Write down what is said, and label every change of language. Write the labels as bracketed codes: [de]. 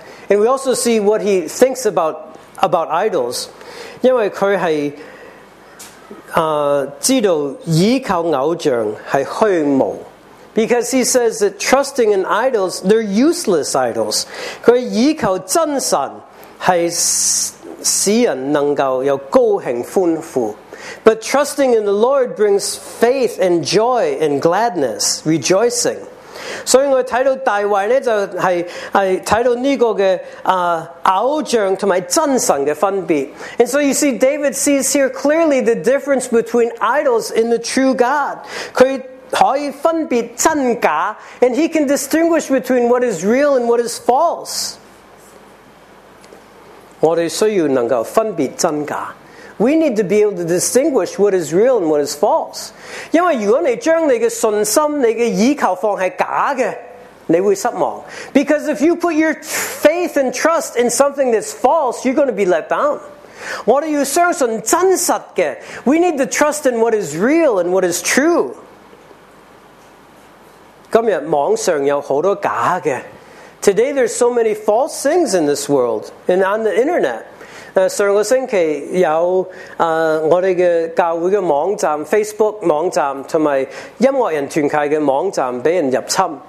[en] And we also see what he thinks about idols. [zh] 因为他是 知道倚靠偶像是虚无， [en] Because he says that trusting in idols, they're useless idols. [zh] 佢依靠真神係使人能夠有高興歡呼。 [en] But trusting in the Lord brings faith and joy and gladness, rejoicing. [zh] 所以我睇到大衛呢，就係睇到呢個嘅偶像同埋真神嘅分別。 [en] And so you see, David sees here clearly the difference between idols and the true God. [zh] 可以分別真假, [en] and he can distinguish between what is real and what is false. [zh] 我哋需要能夠分別真假。 [en] We need to be able to distinguish what is real and what is false. [zh] 因為如果你將你嘅信心、你嘅依靠放喺假嘅，你會失望。 [en] Because if you put your faith and trust in something that's false, you're going to be let down. [zh] 我哋要相信真實嘅。 [en] We need to trust in what is real and what is true. [zh] 今日網上有好多假嘅。 [en] Today there's so many false things in this world and on the internet. [zh] 上個星期有我哋嘅教會嘅網站 Facebook 網站同埋音樂人團契嘅網站俾人入侵。